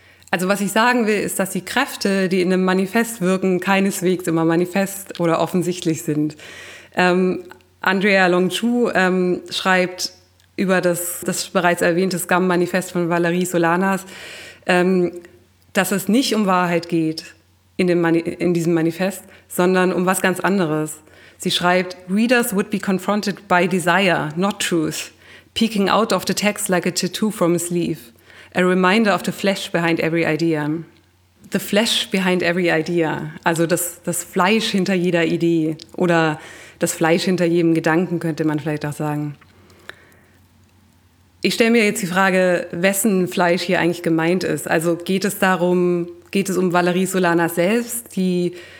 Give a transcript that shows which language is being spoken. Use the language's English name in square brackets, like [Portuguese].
[German] Also was ich sagen will, ist, dass die Kräfte, die in einem Manifest wirken, keineswegs immer manifest oder offensichtlich sind. Andrea Longchu schreibt über das bereits erwähnte Scum-Manifest von Valerie Solanas, dass es nicht um Wahrheit geht in diesem Manifest, sondern um was ganz anderes. [English] Sie schreibt, "Readers would be confronted by desire, not truth, peeking out of the text like a tattoo from a sleeve, a reminder of the flesh behind every idea." The flesh behind every idea, [German] also das Fleisch hinter jeder Idee oder das Fleisch hinter jedem Gedanken, könnte man vielleicht auch sagen. Ich stelle mir jetzt die Frage, wessen Fleisch hier eigentlich gemeint ist. Also geht es um Valerie Solanas selbst, die